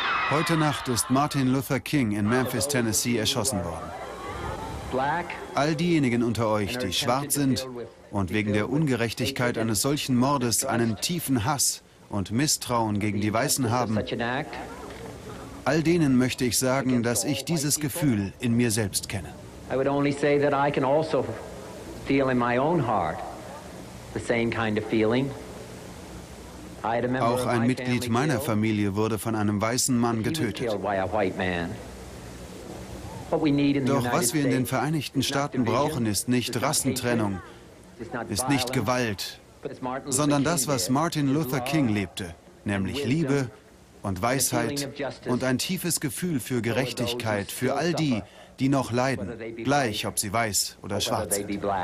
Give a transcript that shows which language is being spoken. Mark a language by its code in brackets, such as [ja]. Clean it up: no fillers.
[de] Heute Nacht ist Martin Luther King in Memphis, Tennessee, erschossen worden. All diejenigen unter euch, die schwarz sind und wegen der Ungerechtigkeit eines solchen Mordes einen tiefen Hass und Misstrauen gegen die Weißen haben, all denen möchte ich sagen, dass ich dieses Gefühl in mir selbst kenne. [en] I would only say that I can also feel in my own heart the same kind of feeling. [de] Auch ein Mitglied meiner Familie wurde von einem weißen Mann getötet. Doch was wir in den Vereinigten Staaten brauchen, ist nicht Rassentrennung, ist nicht Gewalt, sondern das, was Martin Luther King lebte, nämlich Liebe und Weisheit und ein tiefes Gefühl für Gerechtigkeit für all die, die noch leiden, gleich ob sie weiß oder schwarz sind.